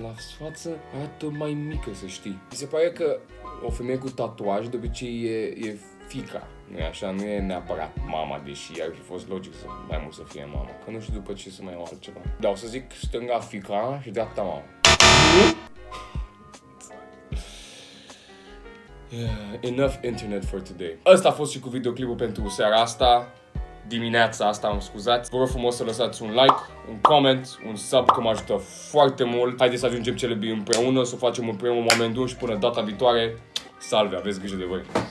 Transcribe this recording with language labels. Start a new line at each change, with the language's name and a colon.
Romanian: La față arată mai mică, să știi. Mi se pare că o femeie cu tatuaje de obicei e fica. Nu e așa, nu e neapărat mama, deși ar fi fost logic să mai mult să fie mama. Că nu știu după ce să mai iau altceva. Dar o să zic stânga fica și dreapta mama.
English: Yeah, enough internet for today.
Romanian: Asta a fost și cu videoclipul pentru seara asta, dimineața asta, îmi scuzați. Vă rog frumos să lăsați un like, un comment, un sub, că mă ajută foarte mult. Haideți să ajungem cele bine împreună, să o facem împreună un moment dur și până data viitoare. Salve, aveți grijă de voi.